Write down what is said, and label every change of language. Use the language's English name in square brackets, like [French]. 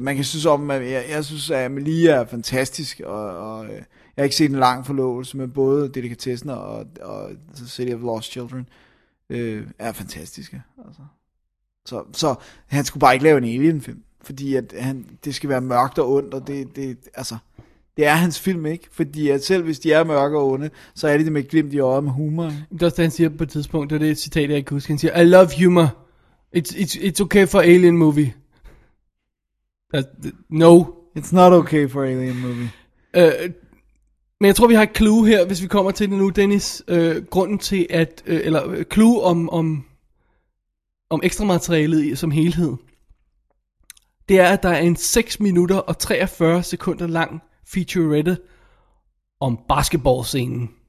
[Danish] Man kan synes om, at jeg synes, at Amelie er fantastisk, og jeg har ikke set en lang forlovelse med både Delicatessen og City of Lost Children. Er fantastiske. Altså. Så han skulle bare ikke lave en Alien-film, fordi at det skal være mørkt og ondt, og det altså. Det er hans film, ikke? Fordi at selv hvis de er mørke og onde, så er de med glimt i øjet med humor. Det er også det, han siger på et tidspunkt, og det er et citat, jeg ikke husker. Han siger, [English] I love humor. It's okay for Alien movie. No. It's not okay for Alien movie. [Danish] Men jeg tror, vi har et clue her, hvis vi kommer til det nu, Dennis. Grunden til, at eller clue om ekstra materialet som helhed, det er, at der er en 6 minutter og 43 sekunder lang featurette om basketballscenen.